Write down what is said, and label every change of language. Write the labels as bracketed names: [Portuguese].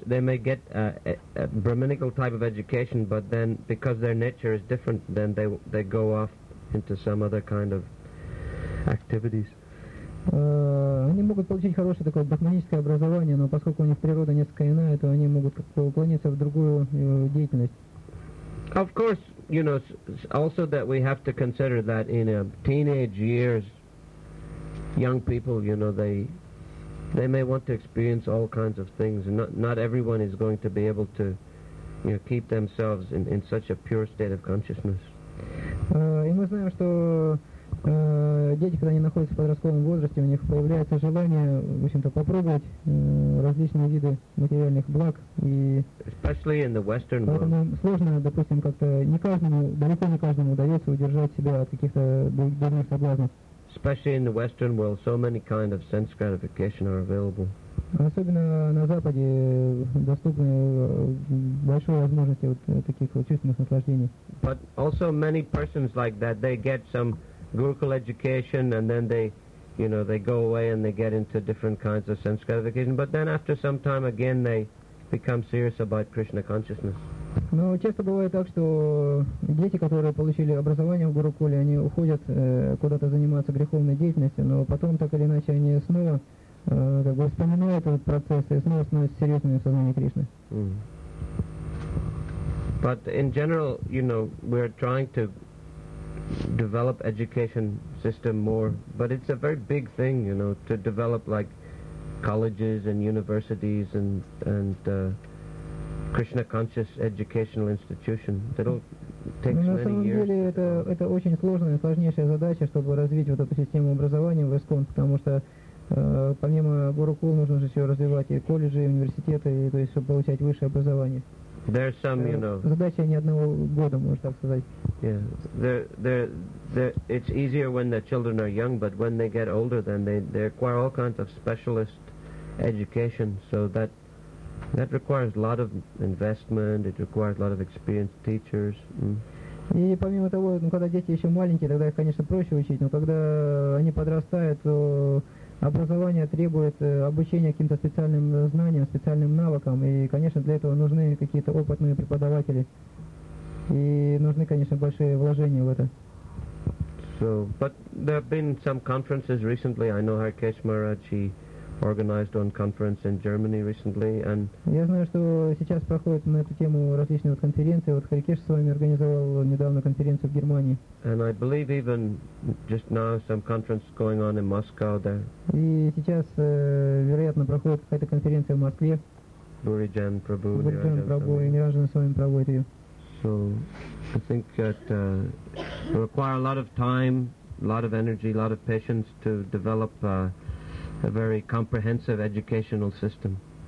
[English] They may get a brahminical type of education, but then because their nature is different, then they go off into some other kind of activities. [Russian] Они могут получить хорошее такое брахманическое образование, но поскольку у них природа несколько иная, то они могут как-то уклониться в другую деятельность. [English] Of course, you know, also that we have to consider that in a teenage years, young people, you know, they may want to experience all kinds of things, and not everyone is going to be able to, you know, keep themselves in such a pure state of consciousness. [Russian] И мы знаем, что дети, когда они находятся в подростковом возрасте, у них появляется желание, в общем-то, попробовать различные виды материальных благ. И [English] especially in the Western world. [Russian] Поэтому сложно, допустим, как-то не каждому, далеко не каждому удается удержать себя от каких-то дурных соблазнов. [English] Especially in the Western world, so many kind of sense gratification are available. [Russian] Особенно на Западе доступны большие возможности вот таких вот чувственных наслаждений. [English] But also many persons like that, they get some Gurukul education, and then they, you know, they go away and they get into different kinds of sense gratification. But then after some time, again, they become serious about Krishna consciousness. [Russian] Но часто бывает так, что дети, которые получили образование в Гурукуле, они уходят куда-то заниматься греховной деятельностью, но потом так или иначе они снова как бы вспоминают этот процесс и снова становятся серьезными в сознании Кришны. [English] But in general, you know, we're trying to develop education system more, but it's a very big thing, you know, to develop like colleges and universities and Krishna conscious educational institution. That'll take many years. [Russian] На самом деле это очень сложная, сложнейшая задача, чтобы развить вот эту систему образования в ИСКОН, потому что помимо Гурукул нужно же еще развивать и колледжи, и университеты, и, то есть, чтобы получать высшее образование. [English] There's some, you know. [Russian] Задача не одного года, можно так сказать. [English] Yeah, there. It's easier when the children are young, but when they get older, then they require all kinds of specialist education. So that requires a lot of investment. It requires a lot of experienced teachers. [Russian] И помимо того, ну когда дети еще маленькие, тогда их, конечно, проще учить. Но когда они подрастают, то образование требует обучения каким-то специальным знаниям, специальным навыкам, и, конечно, для этого нужны какие-то опытные преподаватели. И нужны, конечно, большие вложения в это. [English] So, but there have been some conferences recently. I know Harkesh Maharaj, he organized one conference in Germany recently, and [Russian] я знаю, что сейчас проходят на эту тему различные вот конференции. Вот Харикеш с вами организовал недавно конференцию в Германии. [English] And I believe even just now some conference going on in Moscow there. [Russian] И сейчас, вероятно, проходит какая-то конференция в Москве. Бхуриджан Прабху. Бхуриджан Прабху и Ниранджан с вами проводит ее. [English] So I think that require a lot of time, a lot of energy, a lot of patience to develop a very comprehensive educational system.